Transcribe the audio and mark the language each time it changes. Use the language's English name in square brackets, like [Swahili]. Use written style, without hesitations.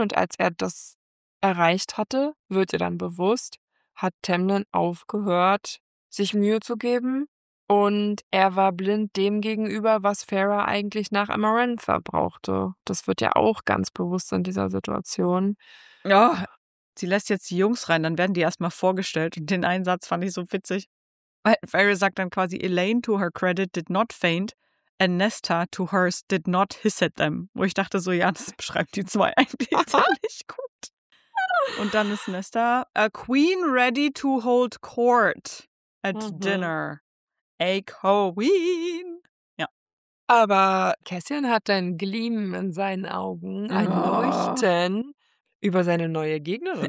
[German] Und als er das erreicht hatte, wird ihr dann bewusst, hat Temnin aufgehört, sich Mühe zu geben. Und er war blind dem gegenüber, was Farah eigentlich nach Amarantha brauchte. Das wird ja auch ganz bewusst in dieser Situation. Ja, oh, sie lässt jetzt die Jungs rein, dann werden die erstmal vorgestellt. Und den einen Satz fand ich so witzig. Farah sagt dann quasi, [English] Elaine to her credit did not faint and Nesta to hers did not hiss at them. [German] Wo ich dachte so, ja, das beschreibt die zwei eigentlich ziemlich gut. Und dann ist [English] Nesta a queen ready to hold court at dinner. A queen. [German] Ja. Aber Cassian hat ein Gleam in seinen Augen, ein Leuchten über seine neue Gegnerin.